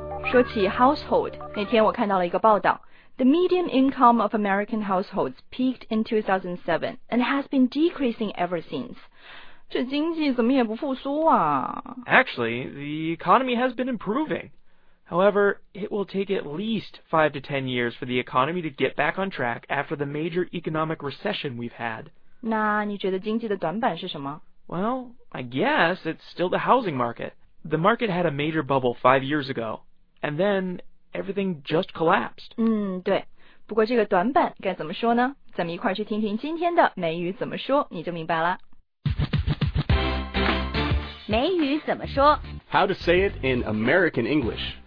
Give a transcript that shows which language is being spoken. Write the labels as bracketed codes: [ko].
[zh] 说起 household, 那天我看到了一个报道 [en] The median income of American households peaked in 2007 and has been decreasing ever since. [zh] 这经济怎么也不复苏啊 [en] Actually, the economy has been improving. However, it will take at least 5 to 10 years for the economy to get back on track after the major economic recession we've had. [zh] 那你觉得经济的短板是什么 [en] Well, I guess it's still the housing market. The market had a major bubble 5 years ago. And then everything just collapsed. [zh] 对。不过这个短板该怎么说呢？咱们一块儿去听听今天的美语怎么说，你就明白了。美语怎么说 [en] ？How to say it in American English?